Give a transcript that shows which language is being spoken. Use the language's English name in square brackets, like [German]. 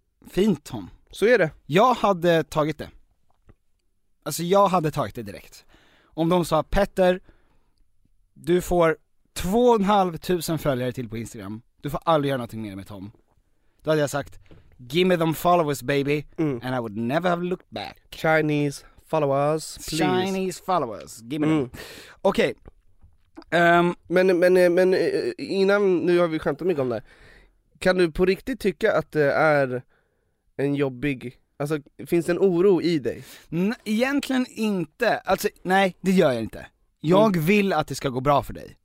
[Swedish] Fint, Tom. Så är det. Jag hade tagit det. Alltså, jag hade tagit det direkt. Om de sa, Petter, du får 2,500 följare till på Instagram. Du får aldrig göra någonting mer med Tom. Då hade jag sagt, [English] give me them followers, baby. Mm. And I would never have looked back. Chinese followers, please. Chinese followers, give me them. [Swedish] Okej. Men innan, nu har vi skämtat mycket om det. Kan du på riktigt tycka att det är en jobbig... Alltså, finns det en oro i dig? Egentligen inte. Alltså, nej, det gör jag inte. Jag vill att det ska gå bra för dig.